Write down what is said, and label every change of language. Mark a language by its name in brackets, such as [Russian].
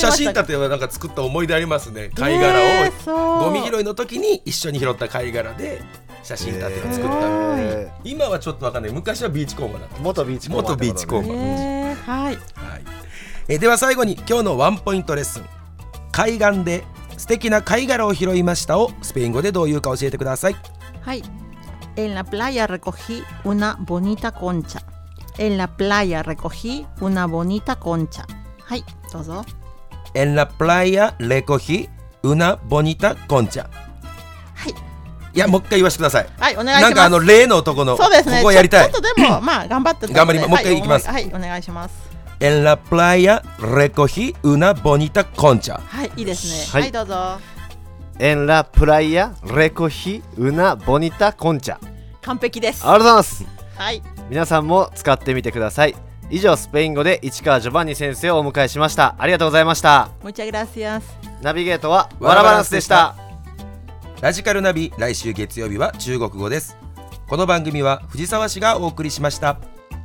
[Japanese] 写真立てはなんか作った思い出ありますね。貝殻を、ゴミ拾いの時に一緒に拾った貝殻で写真立てを作った、今はちょっと分かんない、昔はビーチコーマーだった。元ビーチコーマー。はい、では最後に今日のワンポイントレッスン、海岸で素敵な貝殻を拾いましたをスペイン語でどういうか教えてください。はい。 [Spanish] En la playa recogí una bonita concha. En la playa recogí una bonita concha. [Japanese] はい、どうぞ。 [Spanish] En la playa recogí una bonita concha. [Japanese] はい。いや、もう一回言わせてください。はい、お願いします。なんか例の男の、そうですね、ここをやりたい。ちょっとでもまあ頑張ってたんで、頑張ります。もう一回いきます。はい、お願いします。 [Spanish] En la playa recogí una bonita concha. [Japanese] はい、いいですね。はい、はい、どうぞ。 [Spanish] En la playa recogí una bonita concha. [Japanese] 完璧です。ありがとうございます。はい。皆さんも使ってみてください。以上、スペイン語で市川ジョバンニ先生をお迎えしました。ありがとうございました。 [Spanish] Muchas gracias. [Japanese] ナビゲートはワラバランスでした。ラジカルナビ、来週月曜日は中国語です。この番組は藤沢市がお送りしました。